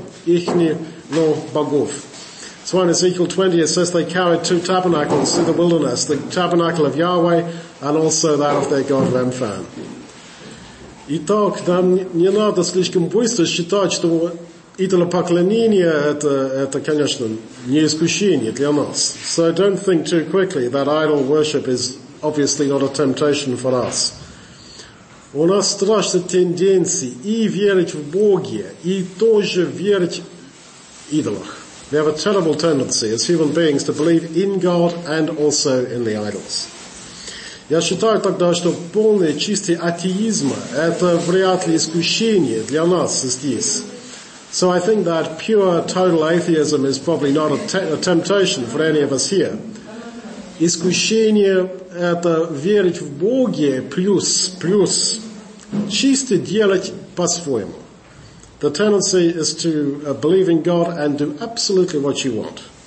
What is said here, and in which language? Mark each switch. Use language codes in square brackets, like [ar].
[ru] их но богов. [en] So in Ezekiel 20, it says they carried two tabernacles through the wilderness, the tabernacle of Yahweh and also that of their god Ramphan. [ru] Итак, нам не надо слишком быстро считать, что идолопоклонение это, конечно, не искушение для нас. [en] So don't think too quickly that idol worship is obviously not a temptation for us. [ru] У нас страшная тенденция и верить в Бога, и тоже верить в идолах. [en] We have a terrible tendency as human beings to believe in God and also in the idols. [ru] Я считаю тогда, что полное чистое атеизма это вряд ли искушение для нас здесь. [en] So I think that pure total atheism is probably not a temptation for any of us here. [ru] Искушение это верить в Бога плюс чисто делать по-своему. [en] The tendency is to believe in God and do absolutely what you want.